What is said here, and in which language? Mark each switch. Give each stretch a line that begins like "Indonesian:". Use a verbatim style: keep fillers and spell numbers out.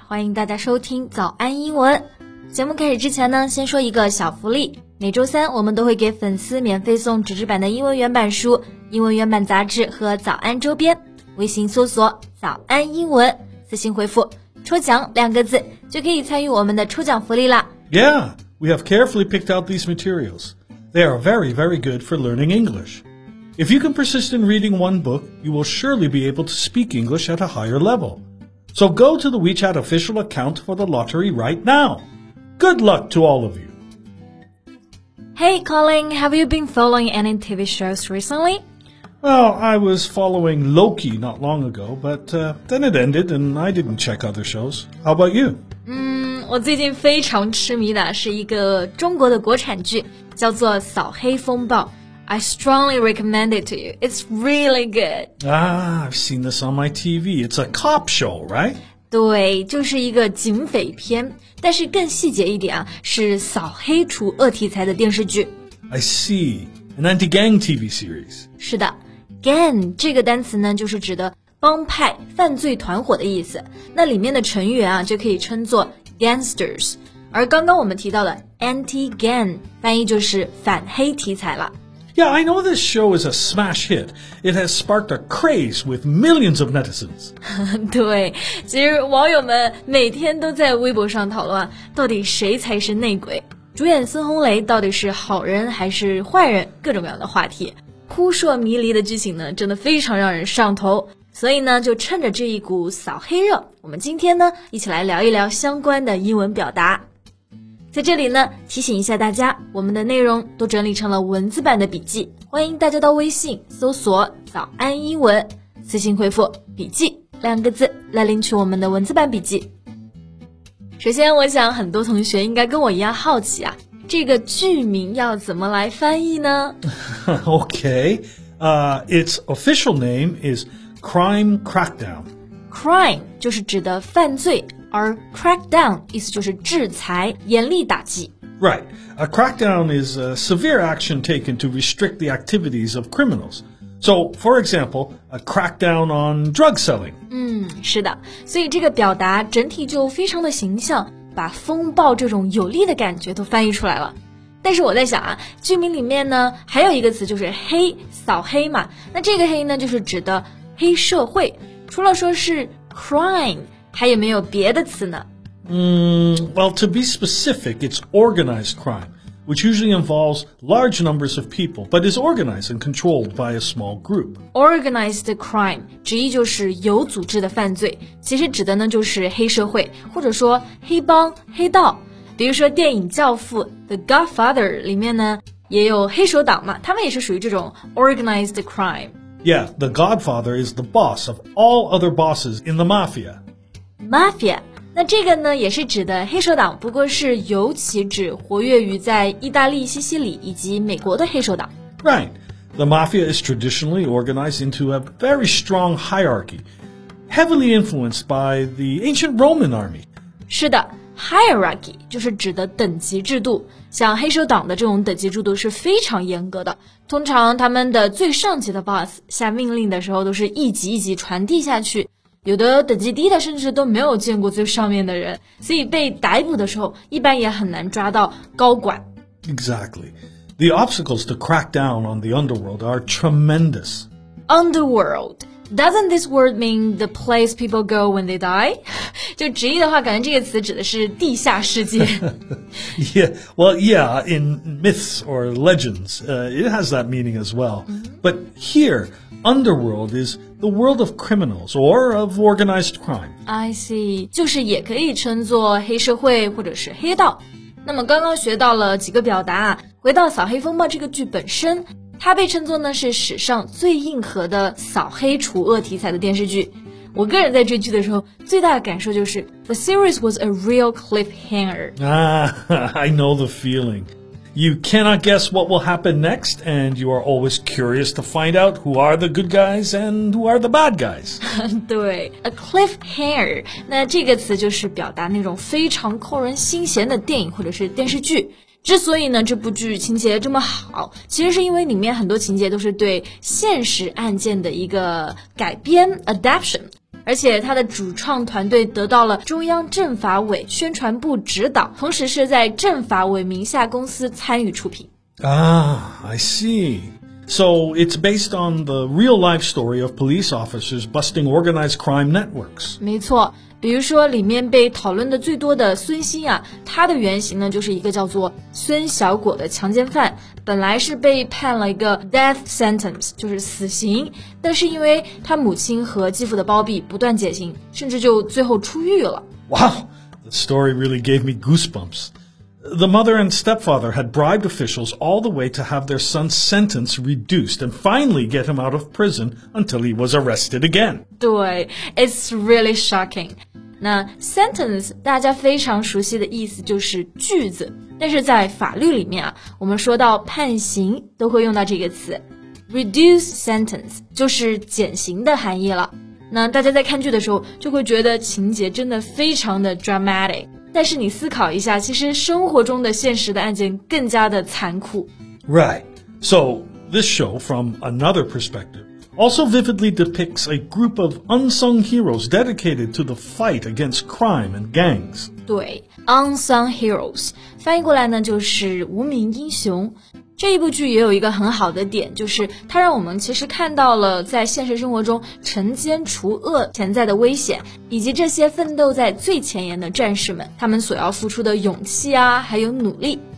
Chinese: 欢迎大家收听早安英文。节目开始之前呢，先说一个小福利。每周三我们都会给粉丝免费送纸质版的英文原版书、英文原版杂志和早安周边。微信搜索早安英文，私信回复抽奖两个字，就可以参与我们的抽奖福利啦。
English: Yeah, we have carefully picked out these materials. They are very, very good for learning English. If you can persist in reading one book, you will surely be able to speak English at a higher level. So go to the WeChat official account for the lottery right now. Good luck to all of you. Hey, Colin, have you been following any T V shows recently? Well, I was following Loki not long ago, but uh, then it ended and I didn't check other shows. How about you?
Chinese: 嗯，我最近非常痴迷的是一个中国的国产剧，叫做《扫黑风暴》。
English: I strongly recommend it to you. It's really good. Ah, I've seen this on my T V. It's a cop show, right?
Chinese: 对，就是一个警匪片，但是更细节一点啊，是扫黑除恶题材的电视剧。
English: I see, an anti-gang T V series.
Chinese: 是的 ，gang 这个单词呢，就是指的帮派、犯罪团伙的意思。那里面的成员啊，就可以称作 gangsters。而刚刚我们提到的 anti-gang， 翻译就是反黑题材了。
English: Yeah, I know this show is a smash hit. It has sparked a craze with millions of netizens.
Chinese: 对，其实网友们每天都在微博上讨论，到底谁才是内鬼？主演孙红雷到底是好人还是坏人？各种各样的话题，扑朔迷离的剧情呢，真的非常让人上头。所以呢，就趁着这一股扫黑热，我们今天呢，一起来聊一聊相关的英文表达。在这里呢，提醒一下大家，我们的内容都整理成了文字版的笔记，欢迎大家到微信搜索早安英文，私信回复笔记两个字来领取我们的文字版笔记。首先我想很多同学应该跟我一样好奇啊，这个剧名要怎么来翻译呢？
English: Okay, uh, its official name is Crime Crackdown.
Chinese: Crime 就是指的犯罪，而 crackdown 意思就是制裁，严厉打击。
English: Right. A crackdown is a severe action taken to restrict the activities of criminals. So, for example, a crackdown on drug selling.
Chinese: 嗯，是的，所以这个表达整体就非常的形象，把风暴这种有力的感觉都翻译出来了。但是我在想啊，剧名里面呢还有一个词就是黑，扫黑嘛，那这个黑呢就是指的黑社会，除了说是 crime还有没有别的词呢？
English: 嗯 well, to be specific, it's organized crime, which usually involves large numbers of people, but is organized and controlled by a small group.
Chinese: Organized crime 直译就是有组织的犯罪，其实指的呢就是黑社会，或者说黑帮、黑道。比如说电影《教父》 The Godfather 里面呢也有黑手党嘛，他们也是属于这种 organized crime.
English: Yeah, The Godfather is the boss of all other bosses in the mafia.
Chinese: Mafia 那这个呢也是指的黑手党，不过是尤其指活跃于在意大利西西里以及美国的黑手党。
English: Right. The mafia is traditionally organized into a very strong hierarchy, heavily influenced by the ancient Roman army.
Chinese: 是的 ,hierarchy 就是指的等级制度，像黑手党的这种等级制度是非常严格的，通常他们的最上级的 boss 下命令的时候都是一级一级传递下去，有的等级低的甚至都没有见过最上面的人，所以被逮捕的时候一般也很难抓到高管。
English: Exactly. The obstacles to crack down on the underworld are tremendous. Underworld. Doesn't this word mean the place people go when they die?
Chinese: 就直译的话感觉这个词指的是地下世界。
English: Yeah, well, yeah, in myths or legends, uh, it has that meaning as well. But here, underworld is... The world of criminals or of organized crime. I see.
Chinese: 就是也可以称作黑社会或者是黑道。那么刚刚学到了几个表达，回到《扫黑风暴》这个剧本身，它被称作呢是史上最硬核的扫黑除恶题材的电视剧。我个人在追剧的时候，最大的感受就是
English: The series was a real cliffhanger. Ah, I know the feeling. You cannot guess what will happen next, and you are always curious to find out who are the good guys and who are the bad guys.
Chinese: 对 ，a cliffhanger， 那这个词就是表达那种非常扣人心弦的电影或者是电视剧，之所以呢这部剧情节这么好，其实是因为里面很多情节都是对现实案件的一个改编 adaptation， 而且它的主创团队得到了中央政法委宣传部指导，同时是在政法委名下公司参与出品。
English: Ah, I see. So it's based on the real-life story of police officers busting organized crime networks.
Chinese: 没错，比如说里面被讨论的最多的孙鑫啊，他的原型呢就是一个叫做孙小果的强奸犯，本来是被判了一个 death sentence， 就是死刑，但是因为他母亲和继父的包庇，不断减刑，甚至就最后出狱了。
English: Wow, the story really gave me goosebumps. The mother and stepfather had bribed officials all the way to have their son's sentence reduced and finally get him out of prison until he was arrested again.
Chinese: 对
English: it's really shocking.
Chinese: 那 sentence 大家非常熟悉的意思就是句子，但是在法律里面啊，我们说到判刑都会用到这个词 reduce sentence 就是减刑的含义了。那大家在看剧的时候就会觉得情节真的非常的 dramatic。但是你思考一下，其实生活中的现实的案件更加的残酷。
English: Right. So this show, from another perspective, also vividly depicts a group of unsung heroes dedicated to the fight against crime and gangs.
Chinese: 对 ，unsung heroes 翻译过来呢就是无名英雄。这一部剧也有一个很好的点，就是它让我们其实看到了在现实生活中惩奸除恶潜在的危险，以及这些奋斗在最前沿的战士们他们所要付出的勇气啊，还有努力。